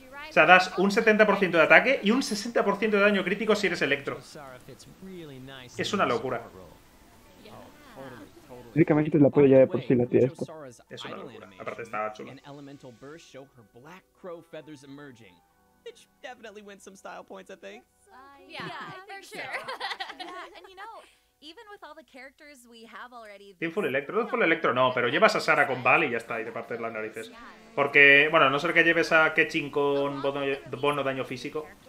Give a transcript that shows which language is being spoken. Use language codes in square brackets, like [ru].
[es] O sea, das un 70% de ataque y un 60% de daño crítico si eres electro. Es una locura. Básicamente la apoyo ya de por sí la tía esto. Es una locura. Aparte estaba chulo. [en] Elemental burst show her black crow feathers emerging, which definitely wins some style points, I think. Yeah, for sure. Yeah, and you know, even with all the characters we have already. Team full electro, no full electro, no. [es] Pero llevas a Sara con Val y ya está, y te partes las narices. Porque bueno, no sé qué lleves a Ketching con bono daño físico.